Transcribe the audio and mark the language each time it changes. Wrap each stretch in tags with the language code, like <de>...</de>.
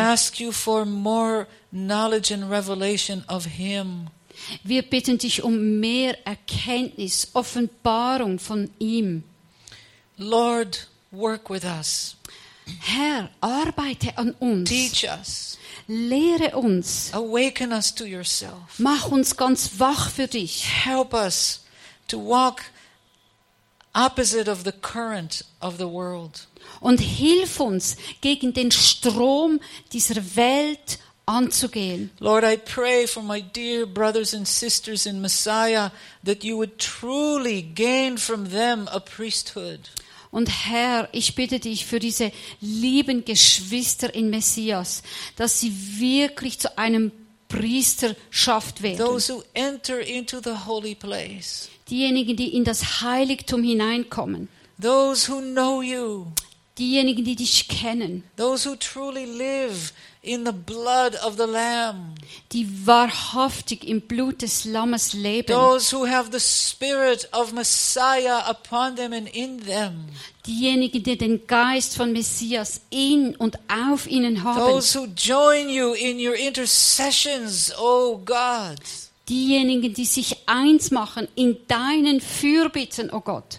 <en>Ask you for more knowledge and revelation of him.</en> <de>Wir bitten dich um mehr Erkenntnis, Offenbarung von ihm.</de> <en>Lord, work with us.</en> <de>Herr, arbeite an uns.</de> <en>Teach us.</en> <de>Lehre uns.</de> <en>Awaken us to yourself.</en> <de>Mach uns ganz wach für dich.</de> <en>Help us to walk opposite of the current of the world.</en> <de>Und hilf uns, gegen den Strom dieser Welt anzugehen.</de> <en>Lord, I pray for my dear brothers and sisters in Messiah that you would truly gain from them a priesthood.</en> <de>Und Herr, ich bitte dich für diese lieben Geschwister in Messias, dass sie wirklich zu einem Priesterschaft werden.</de> <en>Those who enter into the holy place.</en> <de>Diejenigen, die in das Heiligtum hineinkommen.</de> <en>Those who know you.</en> <de>Diejenigen, die dich kennen.</de> <en>Those who truly live in the blood of the Lamb.</en> <de>Die wahrhaftig im Blut des Lammes leben.</de> <en>Those who have the Spirit of Messiah upon them and in them.</en> <de>Diejenigen, die den Geist von Messias in und auf ihnen haben.</de> <en>Those who join you in your intercessions, O God.</en> <de>Diejenigen, die sich eins machen in deinen Fürbitten, O Gott.</de>